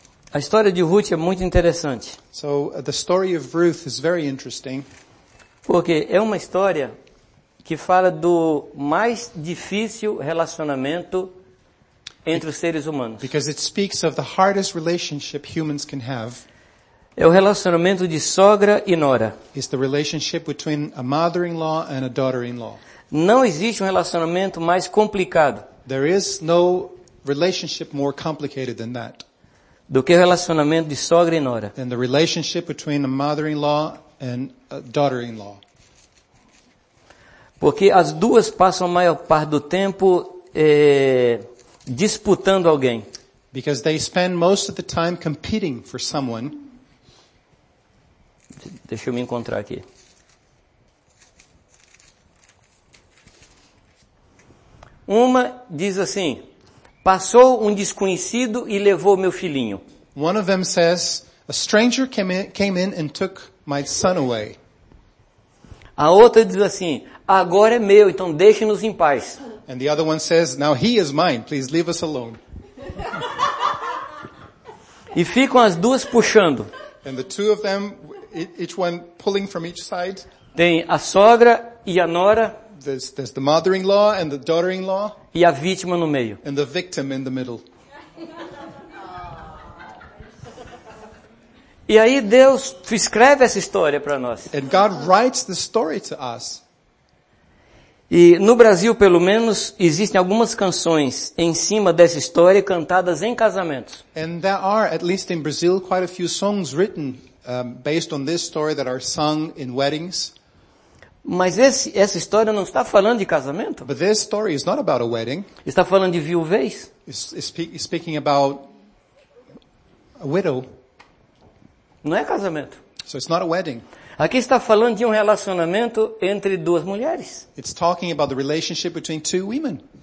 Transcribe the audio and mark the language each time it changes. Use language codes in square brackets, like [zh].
[pt] A história de Ruth é muito interessante. [en] So the story of Ruth is very interesting. [pt] Porque é uma história que fala do mais difícil relacionamento entre os seres humanos. [en] Because it speaks of the hardest relationship humans can have. [pt] É o relacionamento de sogra e nora. [en] It's the relationship between a mother-in-law and a daughter-in-law. [pt] Não existe um relacionamento mais complicado. [en] There is no relationship more complicated than that. [pt] Do que o relacionamento de sogra e nora. [en] And the relationship between a mother-in-law and a daughter-in-law. [pt] Porque as duas passam a maior parte do tempo disputando alguém. [en] Because they spend most of the time competing for someone. [pt] Deixa eu me encontrar aqui. Uma diz assim: passou um desconhecido e levou meu filhinho. [en] One of them says, a stranger came in and took my son away. [pt] A outra diz assim: agora é meu, então deixe-nos em paz. [en] And the other one says, now he is mine, please leave us alone. [pt] E ficam as duas puxando. [en] And the two of them, each one pulling from each side. [pt] Tem a sogra e a nora. [en] There's the mother-in-law and the daughter-in-law. [pt] E a vítima no meio. [en] And the victim in the middle. [pt] E aí Deus escreve essa história para nós. [en] And God writes the story to us. [pt] E no Brasil, pelo menos, existem algumas canções em cima dessa história cantadas em casamentos. [en] And there are, at least in Brazil, quite a few songs written based on this story that are sung in weddings. [pt] Mas essa história não está falando de casamento. [en] But this story is not about a wedding. [pt] Está falando de viuvez. [en] It's speaking about a widow. [pt] Não é casamento. [en] So it's not a wedding. [pt] Aqui está falando de um relacionamento entre duas mulheres. [en] It's talking about the relationship between two women.